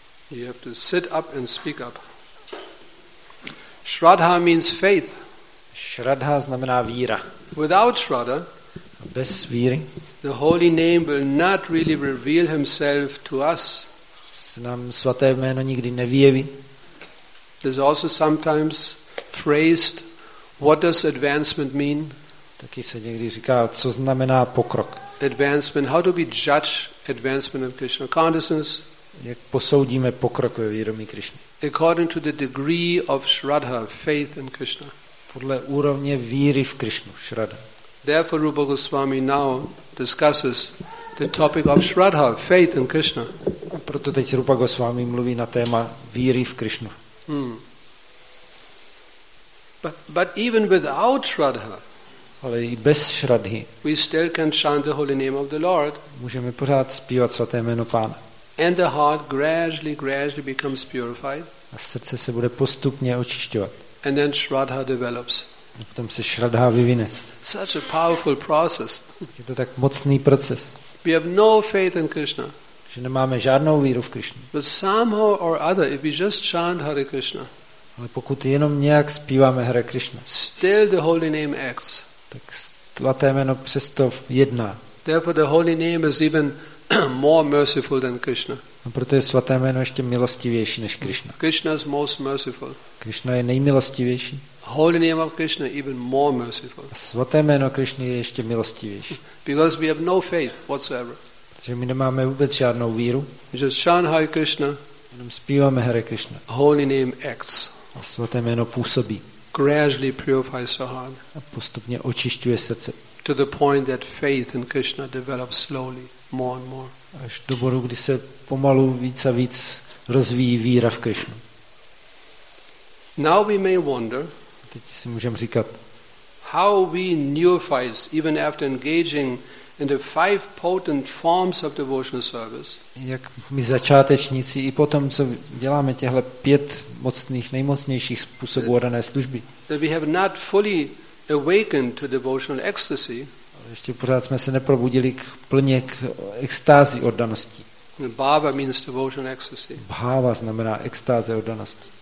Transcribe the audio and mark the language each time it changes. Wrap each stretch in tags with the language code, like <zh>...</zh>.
<en>You have to sit up and speak up. Shraddha means faith.</en> <cs>Shraddha znamená víra.</cs> <en>Without Shraddha,</en> <cs>bez víry,</cs> <en>the holy name will not really reveal himself to us.</en> <cs>Nám svaté jméno nikdy nevyjeví.</cs> <en>There's also sometimes phrased, what does advancement mean?</en> <cs>Taky se někdy říká, co znamená pokrok.</cs> <en>Advancement, how do we judge advancement in Krishna consciousness?</en> <cs>Jak posoudíme pokrok ve vědomí Krišny?</cs> <en>According to the degree of Shraddha, faith in Krishna.</en> <cs>Podle úrovně víry v Krišnu, Shraddha.</cs> <en>Therefore Rupa Goswami now discusses the topic of Shraddha, faith in Krishna.</en> <cs>Proto teď Rupa Goswami mluví na téma víry v Krišnu.</cs> <en>But even without Shraddha,</en> <cs>ale i bez Shraddhy,</cs> <en>we still can chant the holy name of the Lord.</en> <cs>Můžeme pořád zpívat svaté jméno Pána.</cs> <en>And the heart gradually becomes purified.</en> <cs>A srdce se bude postupně očišťovat.</cs> <en>And then Shraddha develops.</en> <cs>A potom se Shraddha vyvine.</cs> <en>Such a powerful process.</en> <cs>Je to tak mocný proces.</cs> <en>We have no faith in Krishna.</en> <cs>Že nemáme žádnou víru v Krishnu.</cs> <en>But somehow or other, if we just chant Hare Krishna.</en> <cs>Ale pokud jenom nějak zpíváme Hare Krishna.</cs> <en>Still the holy name acts.</en> <cs>Tak svaté jméno přesto jedná.</cs> <en>Therefore the holy name is even more merciful than Krishna.</en> <cs>A proto je svaté jméno ještě milostivější než Krishna.</cs> <en>Krishna is most merciful.</en> <cs>Krishna je nejmilostivější.</cs> <en>Holy name of Krishna even more merciful.</en> <cs>Svaté jméno Krishna je ještě milostivější.</cs> <en>Because we have no faith whatsoever.</en> <cs>Protože my nemáme vůbec žádnou víru.</cs> <en>Just chant Hare Krishna.</en> <cs>Jenom zpíváme Hare Krishna.</cs> <en>Holy name acts.</en> <cs>A svaté jméno působí.</cs> <en>Gradually purifies the heart.</en> <cs>A postupně očišťuje srdce.</cs> <en>To the point that faith in Krishna develops slowly, more and more.</en> <cs>Až do bodu, kdy se pomalu víc a víc rozvíjí víra v Krishnu.</cs> <en>Now we may wonder.</en> <cs>Teď si můžeme říkat,</cs> <en>how we neophytes, even after engaging in the five potent forms of devotional service.</en> <cs>Jak my začátečníci i potom, co děláme těchto pět mocných, nejmocnějších způsobů dané služby.</cs> <en>That we have not fully awakened to devotional ecstasy.</en> <cs>Ještě pořád jsme se neprobudili k plně k extázi oddanosti.</cs> <en>Bhava means devotional ecstasy.</en> <cs>Bhava znamená extáze oddanosti.</cs>